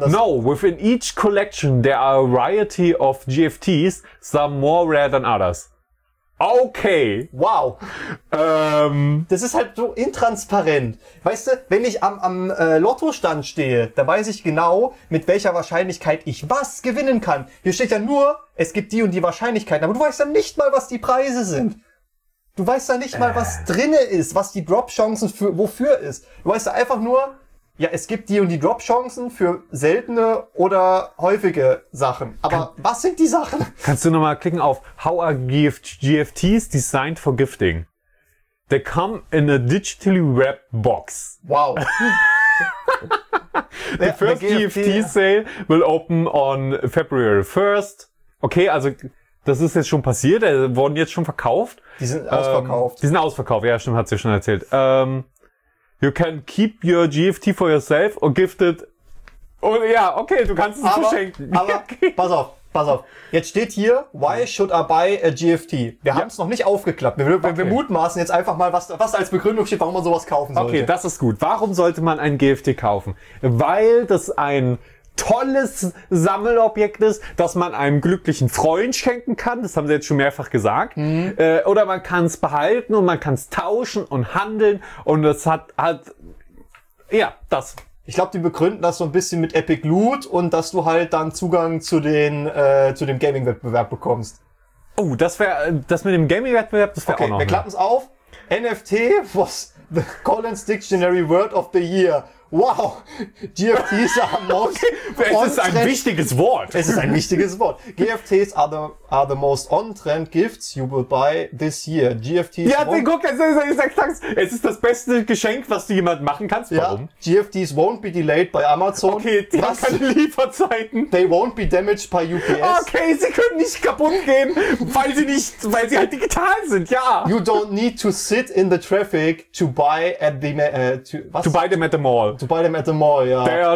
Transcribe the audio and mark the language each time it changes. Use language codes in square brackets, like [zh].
[en] dass... No, within each collection there are a variety of GFTs, some more rare than others. Okay. Wow. [de] Das ist halt so intransparent. Weißt du, wenn ich am Lottostand stehe, da weiß ich genau, mit welcher Wahrscheinlichkeit ich was gewinnen kann. Hier steht ja nur, es gibt die und die Wahrscheinlichkeiten. Aber du weißt ja nicht mal, was die Preise sind. Du weißt ja nicht mal, was drinne ist, was die Drop-Chancen für wofür ist. Du weißt ja einfach nur, ja, es gibt die und die Drop-Chancen für seltene oder häufige Sachen. Aber was sind die Sachen? Kannst du nochmal klicken auf [en] How are GFTs designed for gifting? They come in a digitally wrapped box. Wow. The first GFT sale will open on February 1st. [de] Okay, also das ist jetzt schon passiert. Die wurden jetzt schon verkauft. Die sind ausverkauft. Die sind ausverkauft. Ja, stimmt, hat sie ja schon erzählt. [en] You can keep your GFT for yourself or gift it. [de] Oh ja, okay, du kannst es verschenken. Aber pass auf. Jetzt steht hier, [en] why should I buy a GFT? [de] Wir haben es noch nicht aufgeklappt. Wir mutmaßen jetzt einfach mal, was als Begründung steht, warum man sowas kaufen sollte. Okay, das ist gut. Warum sollte man ein GFT kaufen? Weil das ein tolles Sammelobjekt ist, das man einem glücklichen Freund schenken kann. Das haben sie jetzt schon mehrfach gesagt. Mhm. Oder man kann es behalten und man kann es tauschen und handeln. Und es hat ja, das. Ich glaube, die begründen das so ein bisschen mit Epic Loot und dass du halt dann Zugang zu dem Gaming-Wettbewerb bekommst. Oh, das mit dem Gaming-Wettbewerb, das wäre okay, auch noch. Okay, wir klappen es auf. [en] NFT was the Collins Dictionary Word of the Year. Wow, GFTs are most on-trend. [de] Es ist ein wichtiges Wort. Es ist ein wichtiges Wort. [en] GFTs are the most on-trend gifts you will buy this year. GFTs. [de] Ja, guck, es ist das beste Geschenk, was du jemandem machen kannst. Warum? Ja, [en] GFTs won't be delayed by Amazon. [de] Okay, die haben keine Lieferzeiten. [en] They won't be damaged by UPS. [de] Okay, sie können nicht kaputt gehen, weil sie halt digital sind. Ja. [en] You don't need to sit in the traffic to buy at the To buy them at the mall. To buy them at the mall, ja.